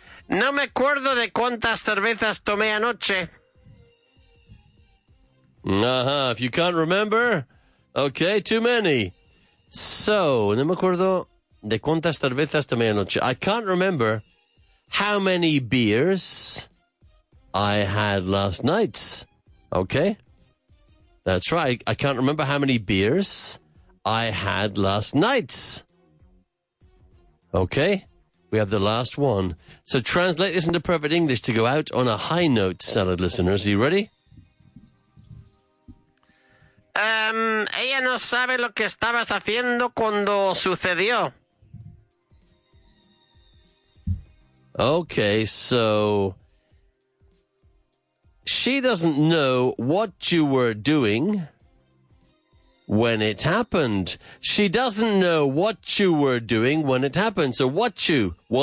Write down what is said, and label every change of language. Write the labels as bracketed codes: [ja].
[es] No me acuerdo de cuántas cervezas tomé anoche. [en] Uh-huh. If you can't remember, okay, too many. [es] So, no me acuerdo de cuántas cervezas tomé anoche. [en] I can't remember how many beers I had last night. Okay? That's right. I can't remember how many beers I had last night. Okay? We have the last one. So translate this into perfect English to go out on a high note, salad listeners. Are you ready? [es] Ella no sabe lo que estabas haciendo cuando sucedió. [en] Okay, so she doesn't know what you were doing when it happened. She doesn't know what you were doing when it happened. So what you.